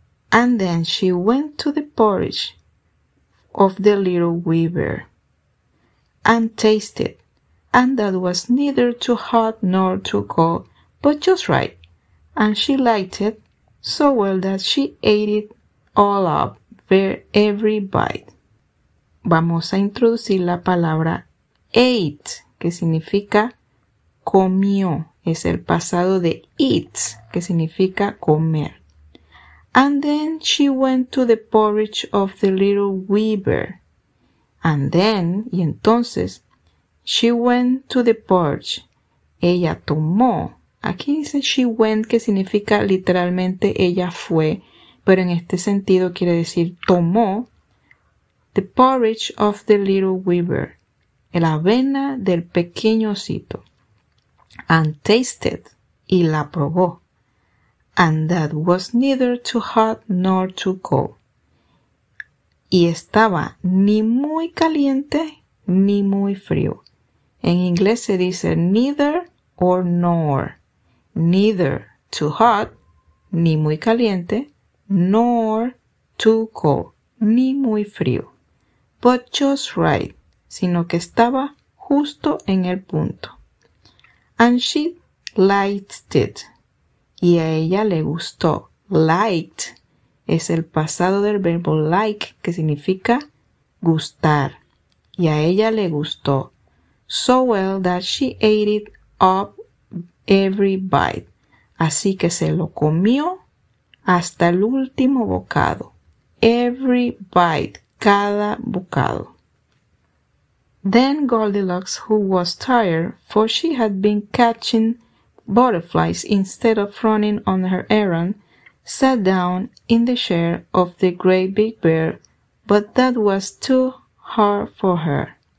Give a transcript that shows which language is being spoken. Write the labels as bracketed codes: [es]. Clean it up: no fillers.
[en] And then she went to the porridge of the little wee bear and tasted. And that was neither too hot nor too cold, but just right. And she liked it so well that she ate it all up, for every bite. [es] Vamos a introducir la palabra ate, que significa comió. Es el pasado de eats, que significa comer. [en] And then she went to the porridge of the little wee bear. And then, [es] y entonces, [en] she went to the porridge. [es] Ella tomó. Aquí dice [en] she went, [es] que significa literalmente ella fue, pero en este sentido quiere decir tomó [en] the porridge of the little wee bear, [es] la avena del pequeño osito. [en] And tasted, [es] y la probó. [en] And that was neither too hot nor too cold. [es] Y estaba ni muy caliente ni muy frío. En inglés se dice neither or nor. [en] Neither too hot, [es] ni muy caliente, [en] nor too cold, [es] ni muy frío. [en] But just right, [es] sino que estaba justo en el punto. [en] And she liked it. [es] Y a ella le gustó. Liked es el pasado del verbo like, que significa gustar. Y a ella le gustó. [en] So well that she ate it up every bite. [es] Así que se lo comió hasta el último bocado. [en] Every bite, [es] cada bocado. [en] Then Goldilocks, who was tired, for she had been catching butterflies instead of running on her errand, sat down in the chair of the great big bear, but that was too hard for her.